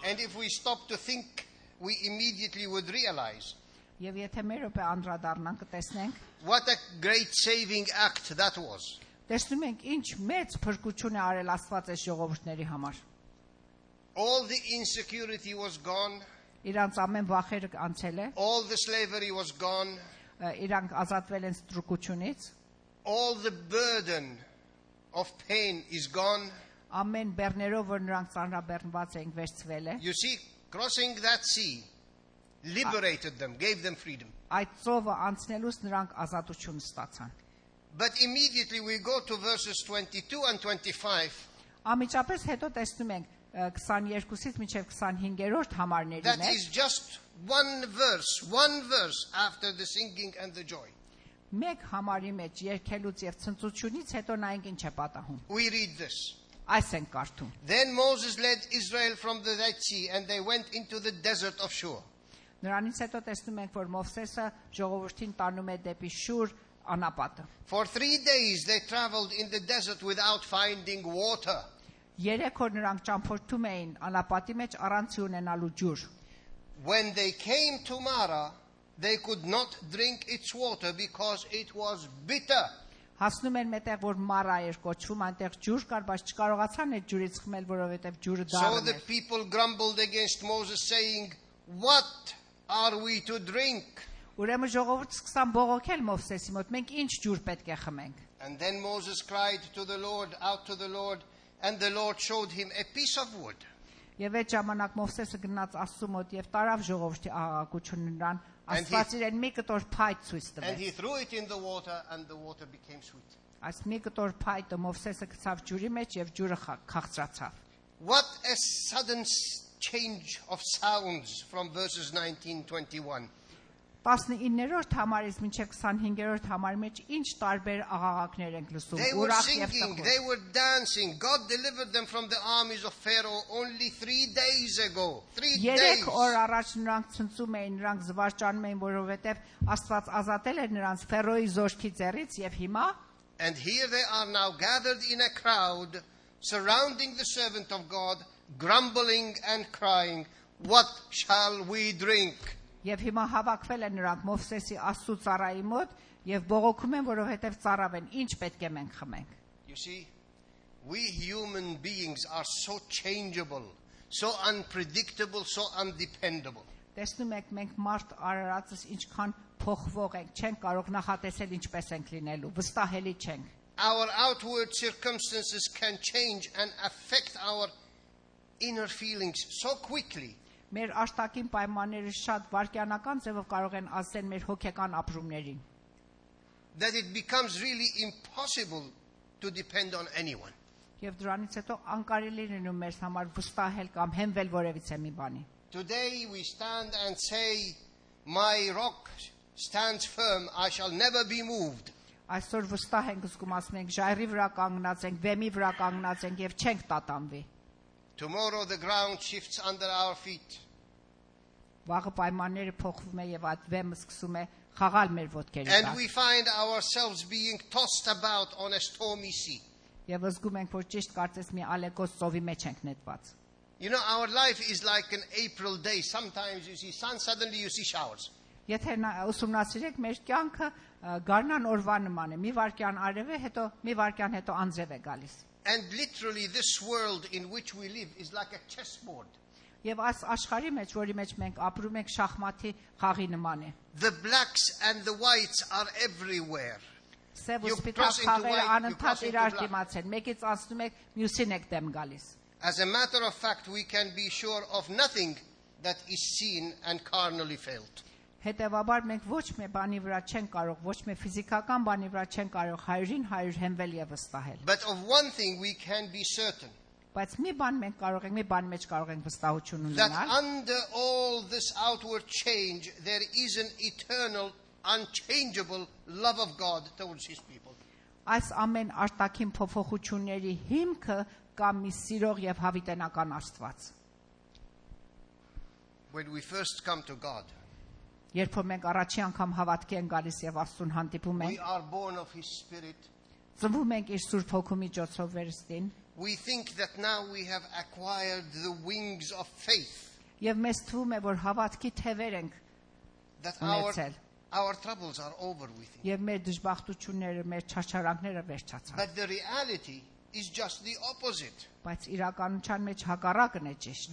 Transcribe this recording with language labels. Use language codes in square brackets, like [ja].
[en] And if we stop to think, we immediately would realize. [hy] Եվ եթե մեր օպե անդրադառնանք, կտեսնենք. [en] What a great saving act that was. [hy] Տեսնում ենք, ինչ մեծ փրկություն է արել Աստված այս ժողովուրդների համար. [en] All the insecurity was gone. [hy] Իրանց ամեն վախերը անցել է. [en] All the slavery was gone. [hy] Իրանք ազատվել են ստրուկությունից. [en] All the burden of pain is gone. [hy] Ամեն բեռներով, որ նրանք ծանրաբեռնված էին, վերցվել է. [en] You see, crossing that sea liberated them, gave them freedom. [hy] Այդ ծովը անցնելուց նրանք ազատություն ստացան. [en] But immediately we go to verses 22 and 25. [hy] Ամիջապես հետո տեսնում ենք 22-ից մինչև 25-րդ համարների մեջ. [en] That is just one verse after the singing and the joy. [hy] Մեկ համարի մեջ երգելուց եւ ցնծությունից հետո նայենք ինչ է պատահում. [en] We read this. [hy] Այս ենք կարդում. [en] Then Moses led Israel from the Red Sea and they went into the desert of Shur. [hy] Նրանից հետո տեսնում ենք, որ Մովսեսը ժողովրդին տանում է դեպի Շուր անապատը. [en] For 3 days they traveled in the desert without finding water. [hy] Երեք օր նրանք ճամփորդում էին անապատի մեջ առանց ունենալու ջուր. [en] When they came to Mara, they could not drink its water because it was bitter. [hy] Հասնում են մետեղ, որ Մարա էր կոչվում, այնտեղ ջուր կար, բայց չկարողացան այդ ջուրից խմել, որովհետև ջուրը դառն էր. [en] So the people grumbled against Moses saying, "What are we to drink?" [hy] Ուրեմն ժողովուրդը սկսան բողոքել Մովսեսի մոտ, մենք ինչ ջուր պետք է խմենք. [en] And then Moses cried to the Lord, out to the Lord. And the Lord showed him a piece of wood. [hy] Եվ այդ ժամանակ Մովսեսը գնաց Աստծո մոտ եւ տարավ ժողովրդի աղաղակությունը նրան, Աստված իրեն մի կտոր փայտ ցույց տվեց։ [en] And he threw it in the water and the water became sweet. [hy] Այս մի կտոր փայտը Մովսեսը գցավ ջուրի մեջ եւ ջուրը քաղցրացավ։ [en] What a sudden change of sounds from verses 19-21. [hy] 19-րդ համարից մինչեւ 25-րդ համարի մեջ ինչ տարբեր աղաղակներ են լսում, ուրախ եւ տխուր։ [en] They were dancing. God delivered them from the armies of Pharaoh only 3 days ago. 3 days. [hy] Երեք օր առաջ նրանք ցնցում էին, նրանք զվարճանում էին, որովհետեւ Աստված ազատել էր նրանց Ֆերոյի զորքի ձեռից եւ հիմա [en] And here they are now gathered in a crowd, surrounding the servant of God, grumbling and crying, "What shall we drink?" [hy] Եվ հիմա հավաքվել են նրանք Մովսեսի Աստծո ծառայի մոտ եւ բողոքում են, որովհետեւ ծառավ են, ինչ պետք է մենք խմենք. [en] You see, we human beings are so changeable, so unpredictable, so undependable. [hy] Տեսնում եք, մենք մարդ արարածս ինչքան փոխվող ենք, չենք կարող նախատեսել ինչպես ենք լինելու, վստահելի չենք. [en] Our outward circumstances can change and affect our inner feelings so quickly. [hy] Մեր աշտակին պայմանները շատ վարկյանական ձևով կարող են ազդել մեր հոգեկան ապրումներին. [en] That it becomes really impossible to depend on anyone. [hy] Եվ դրանից հետո անկարելի լինում մեզ համար վստահել կամ հենվել որևիցե մի բանի. [en] Today we stand and say, "My rock stands firm, I shall never be moved." [hy] Այսօր վստահ ենք զգում, ասում ենք, ժայռի վրա կանգնած ենք, բեմի վրա կանգնած ենք եւ չենք տատանվի. [en] Tomorrow the ground shifts under our feet. [hy] Վաղը պայմանները փոխվում է եւ այդ բեմը սկսում է խաղալ մեր ոտքերի վրա. [en] And we find ourselves being tossed about on a stormy sea. [hy] Եվ զգում ենք, որ ճիշտ կարծես մի ալեկոս ծովի մեջ ենք նետված. [en] You know, our life is like an April day. Sometimes you see sun, suddenly you see showers. [hy] Եթե ուսումնասիրեք, մեր կյանքը գարնան օրվա նման է։ Մի վարկյան արև է, հետո մի վարկյան հետո անձև է գալիս։ [en] And literally this world in which we live is like a chessboard. [hy] Եվ այս աշխարհի մեջ, որի մեջ մենք ապրում ենք, շախմատի խաղի նման է։ [en] The blacks and the whites are everywhere. [hy] Սև ու սպիտակ խաղերը անընդհատ իրար դիմաց են։ Մեկից անցնում եք, մյուսին եք դեմ գալիս։ [en] As a matter of fact, we can be sure of nothing that is seen and carnally felt. [hy] Հետևաբար մենք ոչ մի բանի վրա չենք կարող, ոչ մի ֆիզիկական բանի վրա չենք կարող 100-ին 100 հենվել եւ վստահել. [en] But of one thing we can be certain. [hy] Բայց մի բան մենք կարող ենք, մի բանի մեջ կարող ենք վստահություն ունենալ. [en] That under all this outward change there is an eternal, unchangeable love of God towards his people. [hy] Այս ամեն արտաքին փոփոխությունների հիմքը կամ մի սիրող եւ հավիտենական Աստված։ [en] When we first come to God. [hy] Երբ մենք առաջի անգամ հավատքի են գալիս եւ Աստուն հանդիպում ենք, [en] we are born of his spirit. [hy] Ծնվում ենք իր Սուրբ Հոգու միջոցով վերստին. [en] We think that now we have acquired the wings of faith. [hy] Եվ մեզ թվում է, որ հավատքի թևեր ենք ունեցել. [en] Our troubles are over, we think. [hy] Եվ մեր դժբախտությունները, մեր չարչարանքները վերջացան։ [en] But the reality is just the opposite. [hy] Բայց իրականության մեջ հակառակն է ճիշտ։